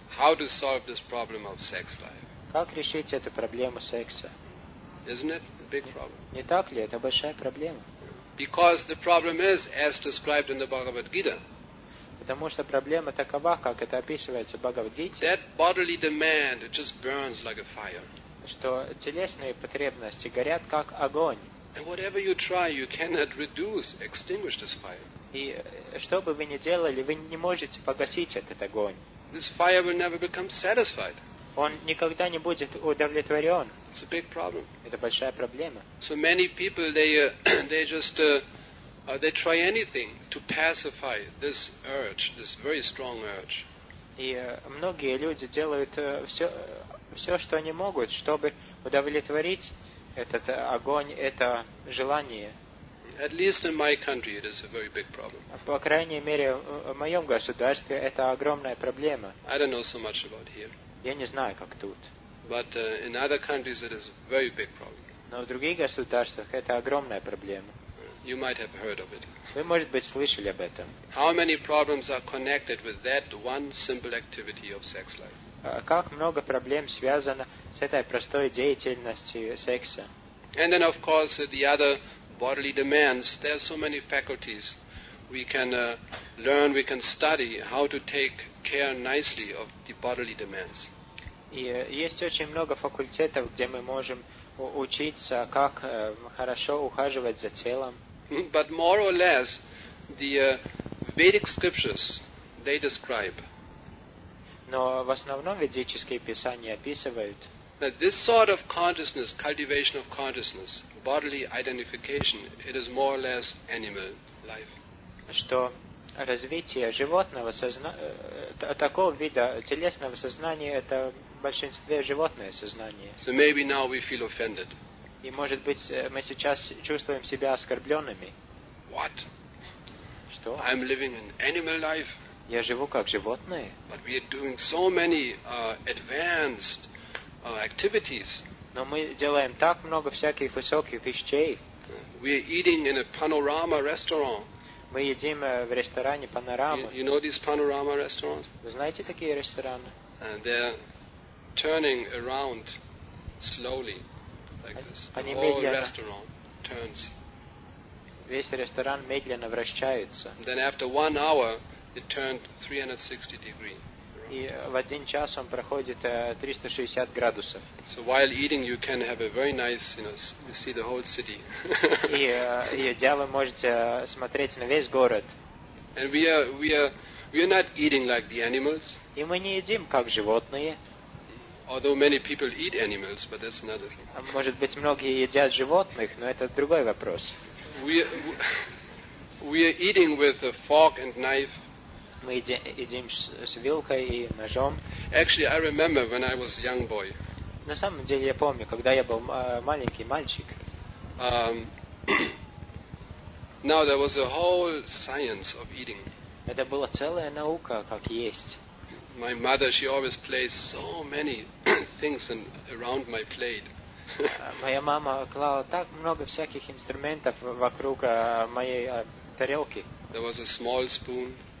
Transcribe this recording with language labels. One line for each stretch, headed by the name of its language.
English: How to solve this problem of sex life?
Russian: Как решить эту проблему секса?
English: Isn't it a big problem?
Russian: Не так ли? Это большая проблема.
English: Because the problem is, as described in the Bhagavad Gita.
Russian: Потому что проблема такова, как это описывается в Бхагавад-гите.
English: That bodily demand just burns like a fire.
Russian: Что телесные потребности горят как огонь.
English: And whatever you try, you cannot reduce, extinguish this fire.
Russian: И что бы вы ни делали, вы не можете погасить этот огонь.
English: This fire will never become satisfied.
Russian: Он никогда не будет удовлетворен.
English: It's a big problem.
Russian: Это большая проблема.
English: So many people, they try anything to pacify this urge, this very strong urge.
Russian: И многие люди делают все, что они могут, чтобы удовлетворить этот огонь, это желание.
English: At least in my country, it is a very big problem.
Russian: По крайней мере, в моем государстве это огромная проблема.
English: I don't know so much about here.
Russian: Я не знаю, как тут.
English: But in other countries, it is a very big problem.
Russian: Но в других государствах это огромная проблема.
English: You might have heard of it.
Russian: Вы, может быть, слышали об этом.
English: How many problems are connected with that one simple activity of sex life?
Russian: Как много проблем связано с этой простой деятельностью секса?
English: And then, of course, the other bodily demands. There are so many faculties we can learn, we can study how to take care nicely of the bodily demands.
Russian: И есть очень много факультетов, где мы можем учиться, как хорошо ухаживать за телом.
English: But more or less, the Vedic scriptures, they describe.
Russian: Но в основном ведические писания описывают.
English: That this sort of consciousness, cultivation of consciousness, bodily identification, it is more or less animal life.
Russian: Что развитие животного сознания, такого вида телесного сознания, это в большинстве животное сознание.
English: So maybe now we feel offended.
Russian: И может быть мы сейчас чувствуем себя оскорбленными.
English: What?
Russian: Что?
English: I'm living an animal life.
Russian: Я живу как животное.
English: But we are doing so many advanced activities.
Russian: Но мы делаем так много всяких высоких вещей.
English: We are eating in a panorama restaurant.
Russian: Мы едим в ресторане панорама.
English: You know these panorama restaurants?
Russian: Вы знаете такие рестораны?
English: They're turning around slowly, like this. The whole restaurant turns.
Russian: Весь ресторан медленно вращается.
English: Then after 1 hour, it turned 360 degrees.
Russian: И в один час он проходит 360 градусов.
English: So while eating, you can have a very nice, you know, you see the whole city.
Russian: И едя вы можете смотреть на весь город.
English: And we are not eating like the animals.
Russian: И мы не едим как животные.
English: Although many people eat animals, but that's another thing.
Russian: Может быть, многие едят животных, но это другой вопрос.
English: We are eating with a fork and knife.
Russian: Мы едим с вилкой и ножом.
English: Actually, I remember when I was a young boy.
Russian: На самом деле, я помню, когда я был маленький мальчик.
English: Now there was a whole science of eating.
Russian: Это была целая наука, как есть.
English: My mother, she always placed so many things around my plate.
Russian: Моя мама клала так много всяких инструментов вокруг моей тарелки.
English: There was a small spoon.